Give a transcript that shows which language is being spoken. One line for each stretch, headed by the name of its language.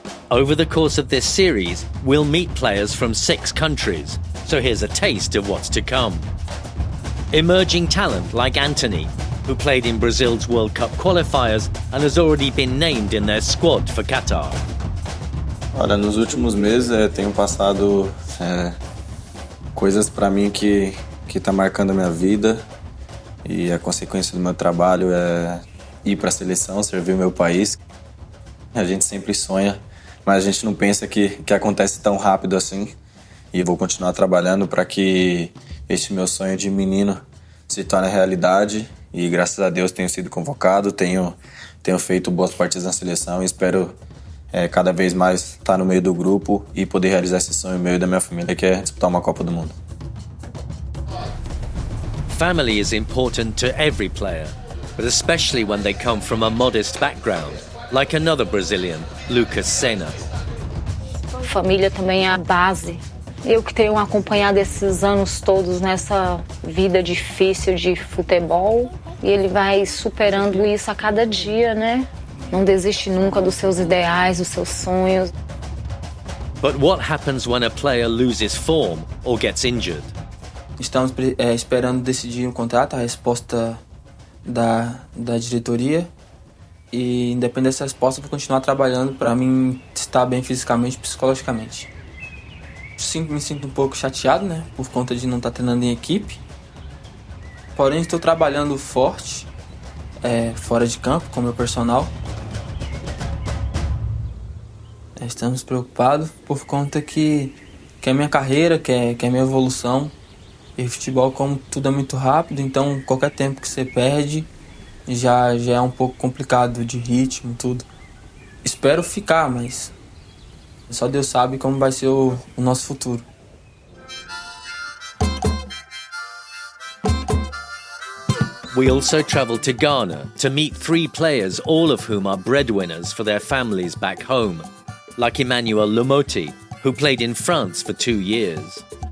English: Over the course of this series, we'll meet players from 6 countries, so here's a taste of what's to come. Emerging talent like Antony, who played in Brazil's World Cup qualifiers and has already been named in their squad for Qatar.
Portuguese: Olha, nos últimos meses tenho passado coisas para mim que tá marcando a minha vida e a consequência do meu trabalho é ir para a seleção, servir o meu país. A gente sempre sonha, mas a gente não pensa que acontece tão rápido assim. E vou continuar trabalhando para que este meu sonho de menino se torne realidade. E graças a Deus tenho sido convocado, tenho feito boas partidas na seleção e espero cada vez mais estar no meio do grupo e poder realizar esse sonho meu e da minha família, que é disputar uma Copa do Mundo.
English: Family is important to every player, but especially when they come from a modest background, like another Brazilian, Lucas Senna.
Portuguese: Família também é a base. Eu que tenho acompanhado esses anos todos nessa vida difícil de futebol, e ele vai superando isso a cada dia, né? Não desiste nunca dos seus ideais, dos seus sonhos.
English: But what happens when a player loses form or gets injured?
Portuguese: Estamos esperando decidir o contrato, a resposta da diretoria. E independente dessa resposta, vou continuar trabalhando para mim estar bem fisicamente e psicologicamente. Me sinto um pouco chateado, né, por conta de não estar treinando em equipe. Porém, estou trabalhando forte, fora de campo, com meu personal. Estamos preocupados por conta que é minha carreira, que é minha evolução. E futebol, como tudo é muito rápido, então qualquer tempo que você perde já é um pouco complicado de ritmo, tudo. Espero ficar, mas só Deus sabe como vai ser o nosso futuro.
English: We also traveled to Ghana to meet 3 players, all of whom are breadwinners for their families back home, like Emmanuel Lomoti, who played in France for 2 years.